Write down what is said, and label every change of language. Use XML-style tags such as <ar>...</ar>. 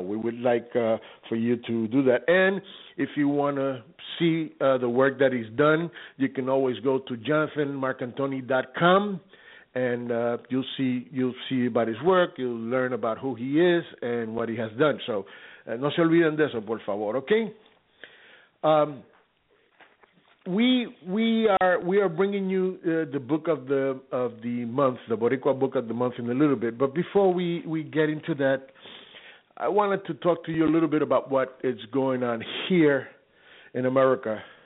<en>We would like for you to do that. And if you want to see the work that he's done, you can always go to jonathanmarcantoni.com. And you'll see about his work, you'll learn about who he is and what he has done.</en> <es>So no se olviden de eso, por favor, okay?</es> <en>We are bringing you the book of the month, the Boricua book of the month in a little bit. But before we get into that, I wanted to talk to you a little bit about what is going on here in America.</en>